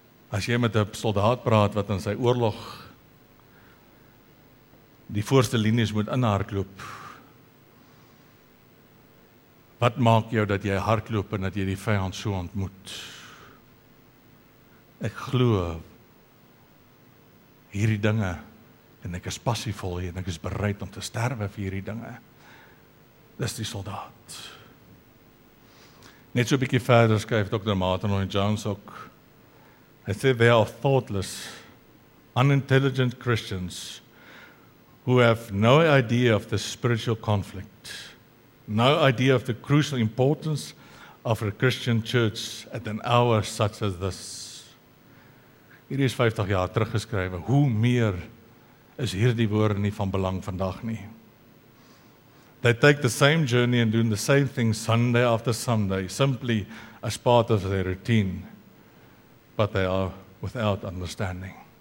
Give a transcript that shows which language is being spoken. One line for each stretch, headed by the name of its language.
Afrikaans: As jy met 'n soldaat praat wat in sy oorlog die voorste linies moet inhardloop, wat maak jou dat jy hardloop en dat jy die vyand so ontmoet? Ek glo hierdie dinge en ek is passievol en ek is bereid om te sterwe vir hierdie dinge. Dis die soldaat. Net so 'n bietjie verder skryf Dr.
English: Martin Lloyd-Jones ook, I say they are thoughtless, unintelligent Christians who have no idea of the spiritual conflict, no idea of the crucial importance of a Christian church at an hour such as this.
Afrikaans: Hier is 50 jaar teruggeskrywe. Hoe meer is hierdie woorde nie van belang vandag nie?
English: They take the same journey and doing the same thing Sunday after Sunday, simply as part of their routine, but they are without understanding.